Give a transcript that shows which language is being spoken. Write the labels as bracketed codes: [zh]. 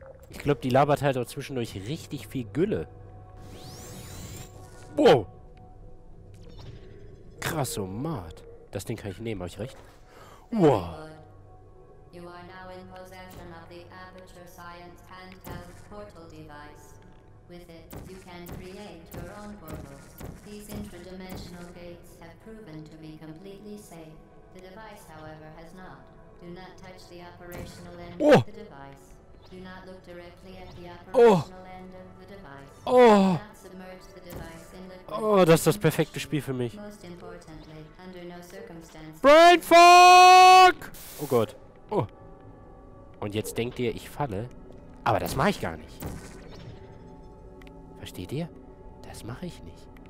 [de] Ich glaube, die labert halt auch zwischendurch richtig viel Gülle. Wow! Krassomat. Das Ding kann ich nehmen, habe ich recht? Wow! [en] You are now in possession of the Aperture Science handheld portal device. With it, you can create your own portals. These intradimensional gates have proven to be completely safe. The device, however, has not. Do not touch the operational end of the device. Do not look directly at the operational end of the device. Oh. Do not submerge the device in the... [de] Oh, das ist das perfekte Spiel für mich. [en] Most importantly, under no circumstances... [de] Brainfuck! Oh Gott. Oh. Und jetzt denkt ihr, ich falle? Aber das mache ich gar nicht. Versteht ihr? Das mache ich nicht.